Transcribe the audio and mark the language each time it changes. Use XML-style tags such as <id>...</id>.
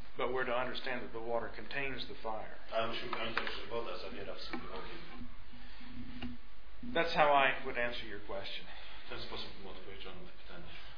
<en>But we're to understand that the water contains the fire.</en> <pl>Ale musimy pamiętać, że woda zawiera w sobie ogień.</pl> <en>That's how I would answer your question.</en> <pl>W ten sposób bym odpowiedział na pytanie.</pl>